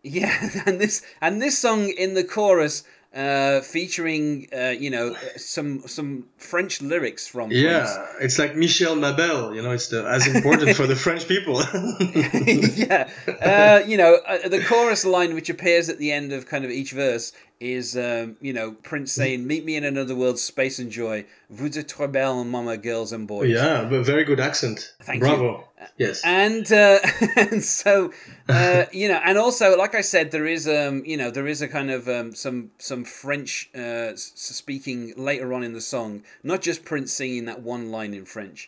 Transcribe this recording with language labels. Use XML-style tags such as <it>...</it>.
<en>Yeah, and this song in the chorus. Featuring, you know, some French lyrics from Prince. Yeah, it's like Michel Mabel, you know, it's as important for the French people. Yeah, you know, the chorus line which appears at the end of kind of each verse is, you know, Prince saying, "Meet me in another world, space and joy.</en> <fr>Vous êtes trop belle, mama,</fr> <en>girls and boys." Yeah, but very good accent. Thank Bravo. You. Bravo. Yes. And so, you know, and also, like I said, there is, you know, there is a kind of some French speaking later on in the song, not just Prince singing that one line in French.</en>